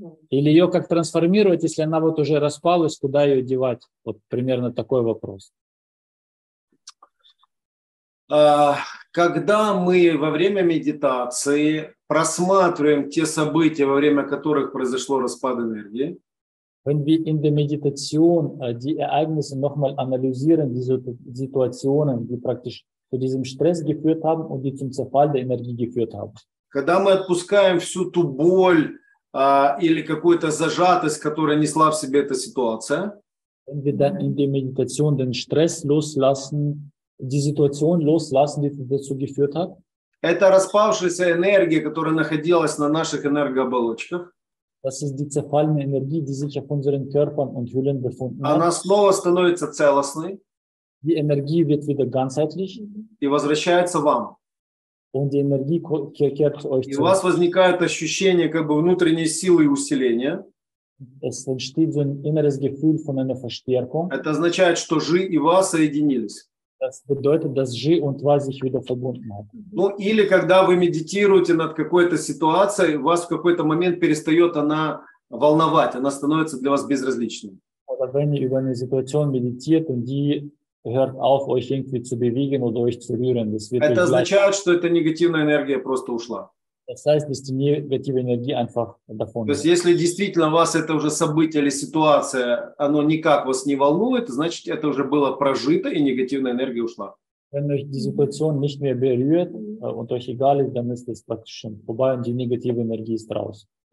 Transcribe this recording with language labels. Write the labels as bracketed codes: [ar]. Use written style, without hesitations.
[ru] Или ее как трансформировать, если она вот уже распалась, куда ее девать? Вот примерно такой вопрос. Когда мы во время медитации просматриваем те события, во время которых произошло распад энергии, [de] wenn wir in der Meditation die Ereignisse nochmal analysieren, diese Situationen, die praktisch zu diesem Stress geführt haben und die zum Zerfall der Energie geführt haben. [ru] Когда мы отпускаем всю ту боль или какую-то зажатость, которая несла в себе эта ситуация, [de] wenn wir dann in der Meditation den Stress loslassen, die Situation loslassen, die dazu geführt hat, [ru] это распавшаяся энергия, которая находилась на наших энергооболочках. [de] Das ist die zerfallene Energie, die sich auf unseren Körpern und Hüllen befunden hat. [ru] Она снова становится целостной. [de] Die Energie wird wieder ganzheitlich. [ru] И возвращается вам. [de] Und die Energie kehrt euch zu. [ru] И у вас возникает ощущение как бы внутренней силы и усиления. [de] Es entsteht so ein inneres Gefühl von einer Verstärkung. [ru] Это означает, что Жи и Ва соединились. [de] Das bedeutet, dass Жи und Ва sich wieder verbunden haben. [ru] Ну, или когда вы медитируете над какой-то ситуацией, вас в какой-то момент перестает она волновать, она становится для вас безразличной. [de] Oder wenn ihr über eine Situation meditiert und die hört auf, euch irgendwie zu bewegen oder euch zu rühren, das wird [ru] Это [de] gleich... [ru] означает, что эта негативная энергия просто ушла. [de] Das heißt, dass die negative Energie einfach davon [ru] То есть, если действительно вас это уже событие или ситуация, оно никак вас не волнует, значит, это уже было прожито и негативная энергия ушла. [de] Wenn euch die Situation nicht mehr berührt und euch egal ist, dann ist es praktisch schon vorbei und die negative Energie ist raus.